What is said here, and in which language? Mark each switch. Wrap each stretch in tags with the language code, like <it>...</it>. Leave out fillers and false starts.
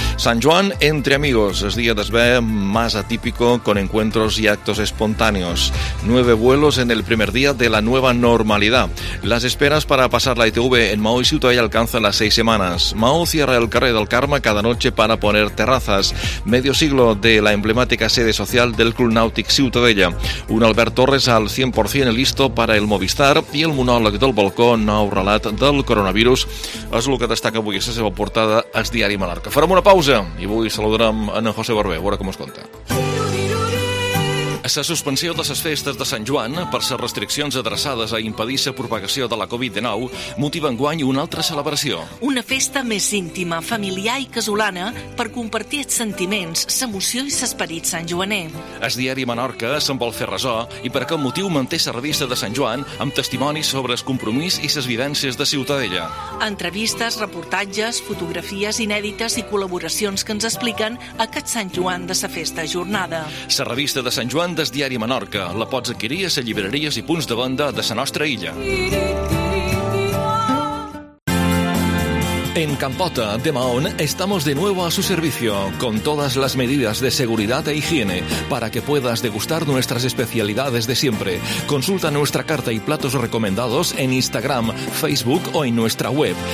<es>San Juan entre amigos. Es día de ver más atípico con encuentros y actos espontáneos. 9 vuelos en el primer día de la nueva normalidad. Las esperas para pasar la ITV en Mahó y Ciutadella alcanzan las 6 semanas. Mahó cierra el carrer del Carme cada noche para poner terrazas. Medio siglo de la emblemática sede social del Club Nàutic Ciutadella. Un Albert Torres al 100% listo para el Movistar,</es> <ca>i el monòleg del balcó, nou relat del coronavirus, és el que destaca avui a la seva portada al diari Menorca. Farem una pausa i avui saludarem en José Barber, a veure com es conta. La suspensió de les festes de Sant Joan per les restriccions adreçades a impedir la propagació de la Covid-19 motiva enguany una altra celebració. Una festa més íntima, familiar i casolana per compartir els sentiments, l'emoció i l'esperit santjoaner. El diari Menorca se'n vol fer ressò i per aquest motiu manté la revista de Sant Joan amb testimonis sobre el compromís i les vivències de Ciutadella. Entrevistes, reportatges, fotografies inèdites i col·laboracions que ens expliquen aquest Sant Joan de la festa ajornada. La revista de Sant Joan des diari Menorca. La pots adquirir a les llibreries i punts de venda de la nostra illa.</ca> <es>En Campota de Mahón estamos de nuevo a su servicio con todas las medidas de seguridad e higiene para que puedas degustar nuestras especialidades de siempre. Consulta nuestra carta y platos recomendados en Instagram, Facebook o en nuestra web.</es>